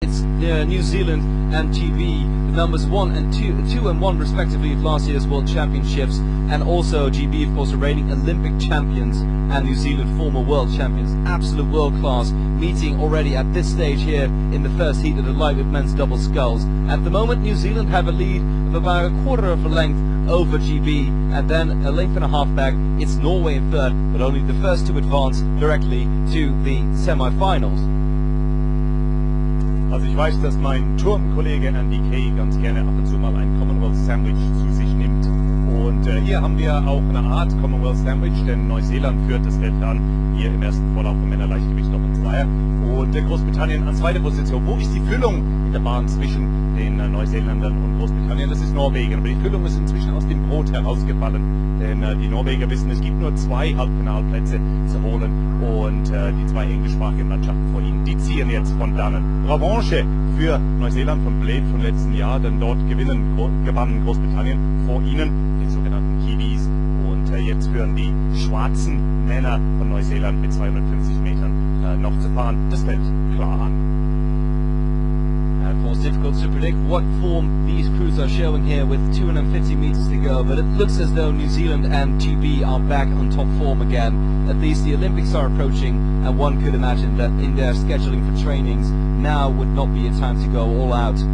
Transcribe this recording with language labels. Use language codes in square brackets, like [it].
[en] New Zealand and TV, the numbers 1 and 2, 2 and 1 respectively of last year's World Championships, and also GB, of course, are reigning Olympic champions, and New Zealand former world champions, absolute world class, meeting already at this stage here in the first heat of the lightweight men's double sculls. At the moment, New Zealand have a lead of about a quarter of a length over GB, and then a length and a half back, it's Norway in third, but only the first to advance directly to the semi-finals. [de] Also ich weiß, dass mein Turmkollege Andy Kay ganz gerne ab und zu mal ein Commonwealth Sandwich zu sich nimmt. Und hier haben wir auch eine Art Commonwealth Sandwich, denn Neuseeland führt das Feld an, hier im ersten Vorlauf im Männerleichtgewicht noch in Zweier. Und Großbritannien an zweiter Position. Wo ist die Füllung in der Bahn zwischen den Neuseeländern und Großbritannien? Das ist Norwegen. Aber die Füllung ist inzwischen aus dem Brot herausgefallen. Denn die Norweger wissen, es gibt nur zwei Halbfinalplätze zu holen. Und die zwei englischsprachigen Mannschaften vor ihnen, die ziehen jetzt von dannen. Revanche für Neuseeland von Blade vom letzten Jahr, denn dort gewann Großbritannien vor ihnen, den sogenannten Kiwis. Und jetzt führen die schwarzen Männer von Neuseeland mit 250 Metern noch zu fahren. Das fällt klar an. [en] Of course, difficult to predict what form these crews are showing here with 250 meters to go, but it looks as though New Zealand and GB are back on top form again. At least the Olympics are approaching, and one could imagine that in their scheduling for trainings, now would not be a time to go all out.